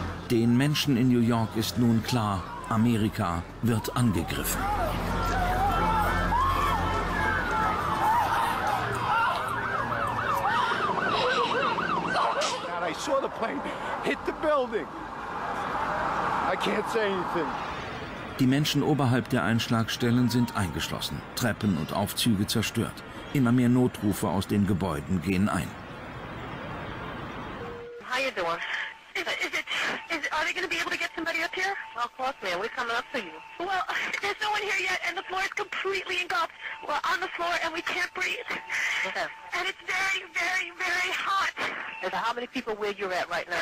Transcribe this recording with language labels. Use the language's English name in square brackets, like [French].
[German] Den Menschen in New York ist nun klar, Amerika wird angegriffen. [English] I saw the plane hit the building. I can't say anything. [German] Die Menschen oberhalb der Einschlagstellen sind eingeschlossen, Treppen und Aufzüge zerstört. Immer mehr Notrufe aus den Gebäuden gehen ein. [English] How you doing? Are they going to be able to get somebody up here? Well, of course, ma'am. We're coming up to you. Well, there's no one here yet, and the floor is completely engulfed. We're on the floor, and we can't breathe. Yes. And it's very, very, very hot. And so how many people where you're at right now?